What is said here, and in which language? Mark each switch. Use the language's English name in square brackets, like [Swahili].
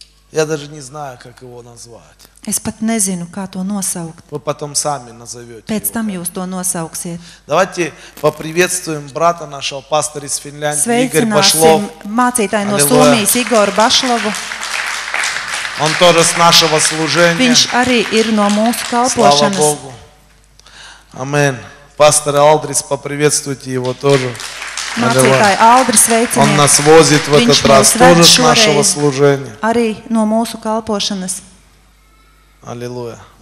[Russian] Я даже не знаю, как его назвать. [Latvian] Es pat nezinu, kā to nosaukt. [Russian] Вы потом сами назовете. [Latvian] Pēc tam jūs to nosauksiet. [Russian] Давайте поприветствуем брата нашего пастора из Финляндии Игорь Башлов. [Latvian] Sveicināsim mācītāju no Somijas Igoru Bašlovu. [Russian] Он тоже с нашего служения. [Latvian] Viņš arī ir no mūsu kalpošanas. [Russian] Слава Богу. Амен. Пастор Алдрис, поприветствуйте его тоже. [Latvian] Мацитай Алдрис, sveicināsim. [Russian] Он нас возит в этот раз тоже с нашего служения. [Latvian] Arī no mūsu kalpošanas. [Russian] Аллилуйя.